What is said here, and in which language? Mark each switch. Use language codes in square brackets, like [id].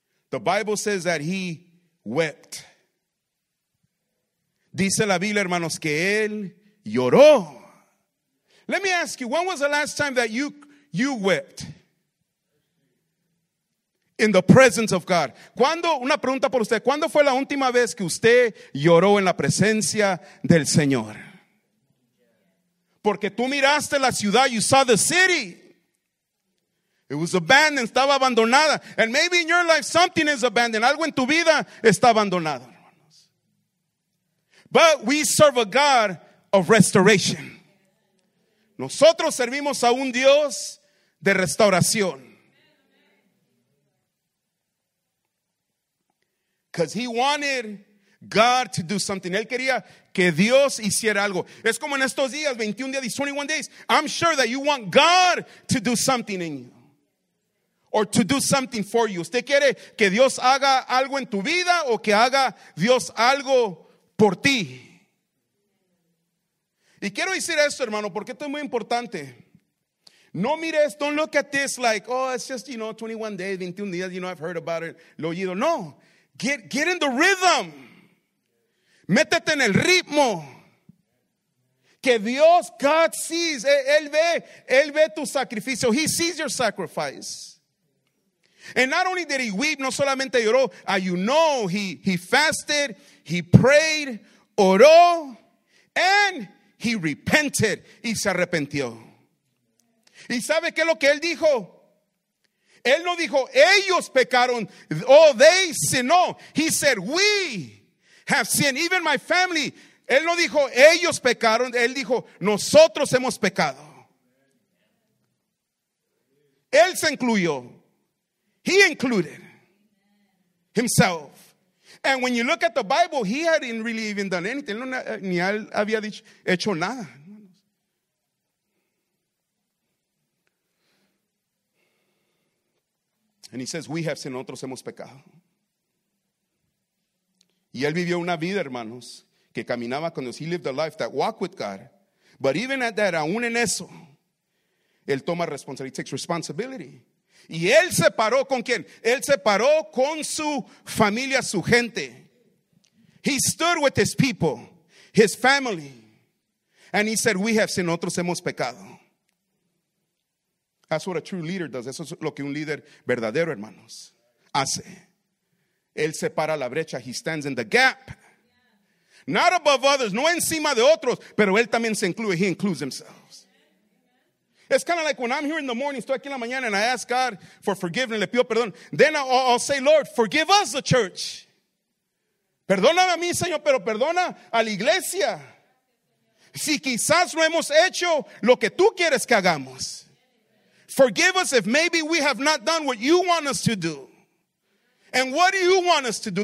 [en] The Bible says that he wept. [es] Dice la Biblia, hermanos, que él lloró. [en] Let me ask you, when was the last time that you wept? In the presence of God. [es] ¿Cuándo, una pregunta por usted, cuándo fue la última vez que usted lloró en la presencia del Señor? Porque tú miraste la ciudad, [en] you saw the city. It was abandoned, [es] estaba abandonada. [en] And maybe in your life something is abandoned. [es] Algo en tu vida está abandonado. [en] But we serve a God of restoration. [es] Nosotros servimos a un Dios de restauración. [en] Because he wanted God to do something. [es] Él quería que Dios hiciera algo. Es como en estos días, 21 días, [en] 21 days. I'm sure that you want God to do something in you. Or to do something for you. [es] ¿Usted quiere que Dios haga algo en tu vida o que haga Dios algo por ti? Y quiero decir esto, hermano, porque esto es muy importante. No mires, [en] don't look at this like, oh, it's just, you know, 21 days, [es] 21 días, [en] you know, I've heard about it. [es] Lo oído. No, [en] get in the rhythm. [es] Métete en el ritmo. Que Dios, [en] God sees, [es] él ve tu sacrificio. [en] He sees your sacrifice. And not only did he weep, [es] no solamente lloró, [en] he fasted, he prayed, [es] oró, [en] and he repented, [es] y se arrepintió. ¿Y sabe qué es lo que él dijo? Él no dijo, ellos pecaron, [en] oh, they sinned. No, he said, we have sinned, even my family. [es] Él no dijo, ellos pecaron, él dijo, nosotros hemos pecado. Él se incluyó. [en] He included himself. And when you look at the Bible, he hadn't really even done anything. [es] Ni había hecho nada. [en] And he says, we have sinned, [es] otros hemos pecado. Y él vivió una vida, hermanos, que caminaba con Dios. [en] He lived a life that walked with God. But even at that, [es] aún en eso, él toma responsabilidad. [en] He takes responsibility. [es] Y él se paró con quién? Él se paró con su familia, su gente. [en] He stood with his people, his family. And he said, we have sinned, [es] nosotros hemos pecado. [en] That's what a true leader does. [es] Eso es lo que un líder verdadero, hermanos, hace. Él separa la brecha. [en] He stands in the gap. Not above others, [es] no encima de otros, pero él también se incluye. [en] He includes himself. It's kind of like when I'm here in the morning, [es] estoy aquí en la mañana, [en] and I ask God for forgiveness, [es] le pido perdón. [en] Then I'll say, Lord, forgive us, the church. [es] Perdóname a mí, Señor, pero perdona a la iglesia. Si quizás no hemos hecho lo que tú quieres que hagamos. [en] Forgive us if maybe we have not done what you want us to do. And what do you want us to do?